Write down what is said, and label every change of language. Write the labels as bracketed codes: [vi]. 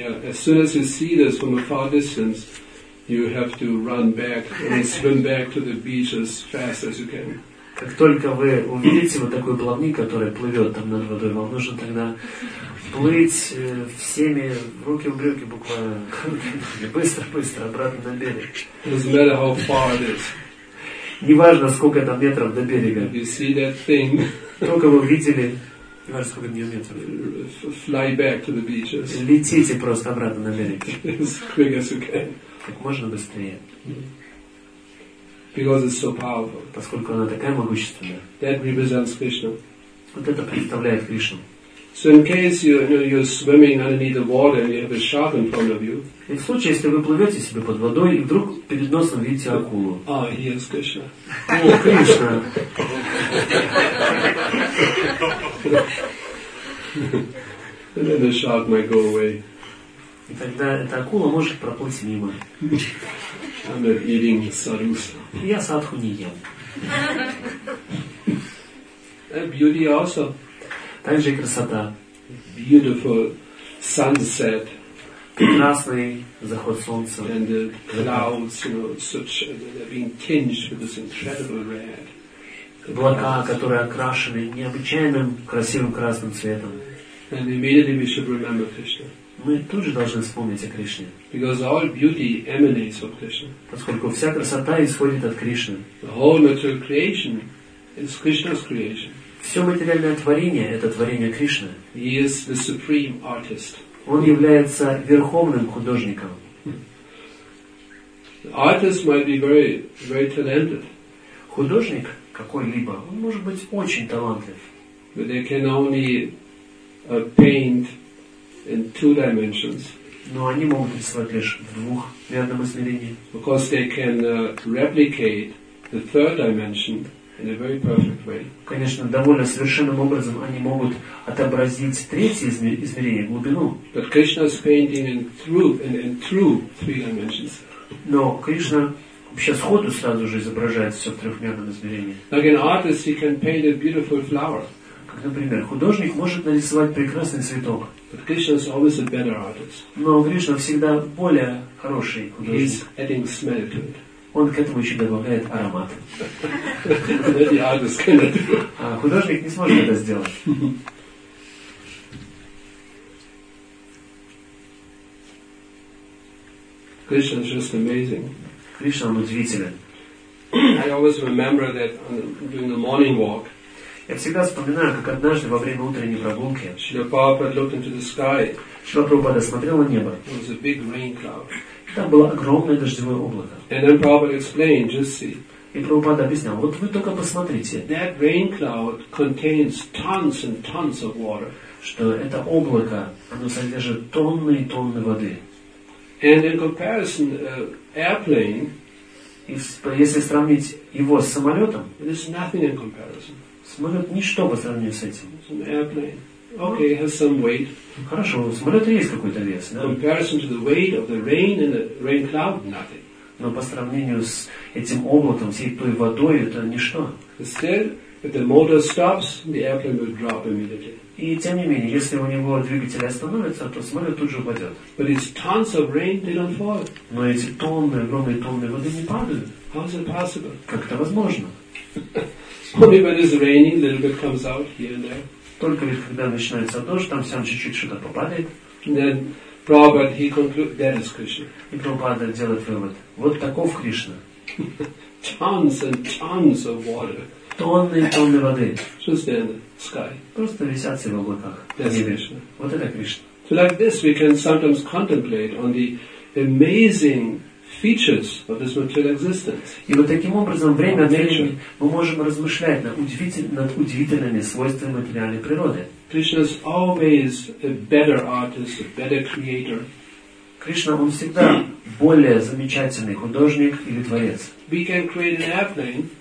[en] As soon as you see this from a far distance, you have to run back and swim back to the beach as fast as you can. [ru] Как только вы увидите вот такой плавник, который плывет там над водой, вам нужно тогда плыть всеми руки в брюки буквально быстро-быстро обратно на берег. [en] Doesn't matter how far it is. [ru] Не важно, сколько там метров до берега. [en] You see that thing. [ru] Только вы увидели. Не важно, сколько до метров. [en] Fly back to the beaches. [ru] Летите просто обратно на берег. [en] As quick as you can. [ru] Как можно быстрее. [en] Because it's so powerful. [ru] Поскольку она такая могущественная. [en] That represents Krishna. [ru] Вот это представляет Кришну. [en] So in case you're swimming underneath the water and you have a shark in front of you. [ru] И в случае, если вы плывете себе под водой и вдруг перед носом видите акулу. [en] Oh, here's Krishna. [ru] О, Кришна. [en] And then the shark might go away. [ru] И тогда эта акула может проплыть мимо. [en] I'm not eating sarusa. [ru] Я садху не ем. [en] And beauty also. [ru] Также и красота. [en] Beautiful sunset. [ru] Прекрасный заход солнца. [en] And the clouds, you know, such they're being tinged with this incredible red. [ru] Облака, которые окрашены необычайным красивым красным цветом. [en] And immediately we should remember Krishna. [ru] Мы тоже должны вспомнить о Кришне. [en] Because all beauty emanates from Krishna. [ru] Поскольку вся красота исходит от Кришны. [en] The whole material creation is Krishna's creation. [ru] Все материальное творение — это творение Кришны. [en] He is the supreme artist. [ru] Он является верховным художником. [en] The artist might be very, very talented. [ru] Художник какой-либо, он может быть очень талантлив. [en] But they can only paint in two dimensions. [ru] Но они могут рисовать лишь в двухмерном измерении. [en] Because they can replicate the third dimension in a very perfect way. [ru] Конечно, довольно совершенным образом они могут отобразить третье измерение, глубину. [en] But Krishna's painting in through three dimensions. [ru] Но Кришна вообще сходу сразу же изображает все в трехмерном измерении. [en] Like an artist, he can paint a beautiful flower. [ru] Как, например, художник может нарисовать прекрасный цветок. [en] But Krishna is always a better artist. [ru] Но Кришна всегда более хороший художник. [en] He's adding smell to it. [ru] Он к этому еще добавляет аромат. [en] The artist cannot. [ru] А художник не сможет это сделать. [en] Krishna is just amazing. [ru] Кришна удивителен. [en] I always remember that during the morning walk. [ru] Я всегда вспоминаю, как однажды во время утренней прогулки [en] Шрила Прабхупада looked into the sky. [ru] Шрила Прабхупада смотрел на небо. [en] There was a big rain cloud. [ru] И там было огромное дождевое облако. [en] And then Prabhupada explained, just see. [ru] И Прабхупада объяснял, вот вы только посмотрите. [en] That rain cloud contains tons and tons of water. [ru] Что это облако, оно содержит тонны и тонны воды. [en] And in comparison, airplane, [ru] если сравнить его с самолетом, [en] it is nothing in comparison. [ru] Самолет ничто по сравнению с этим. [en] Okay, has some weight. [ru] Хорошо, самолет есть какой-то вес, да? [en] Comparison to the weight of the rain and the rain cloud, nothing. [ru] Но по сравнению с этим облаком, с этой водой, это ничто. [en] If the motor stops, the airplane will drop immediately. [ru] И тем не менее, если у него двигатель остановится, то самолет тут же упадет. [en] But it's tons of rain, they don't fall. [ru] Но эти тонны, огромные тонны воды не падают. [en] How is it possible? [ru] Как это возможно? [en] Only when it's raining, a little bit comes out here and there. [ru] Только лишь когда начинается дождь, там сам чуть-чуть что-то попадает. [en] Then Prabhupada, he concludes, that is Krishna. [ru] И Прабхупада делает вывод: вот таков Кришна. [en] Tons and tons of water. [ru] Тонны и тонны воды. [en] Sky. [ru] Просто висят все в облаках. Вот это Кришна. [en] So like this we can sometimes contemplate on the amazing features of this material existence. [ru] И вот таким образом время от времени мы можем размышлять над удивительными свойствами материальной природы. [en] Krishna is always a better artist, a better creator. [ru] Кришна, он всегда более замечательный художник или творец. [en] We can create an airplane.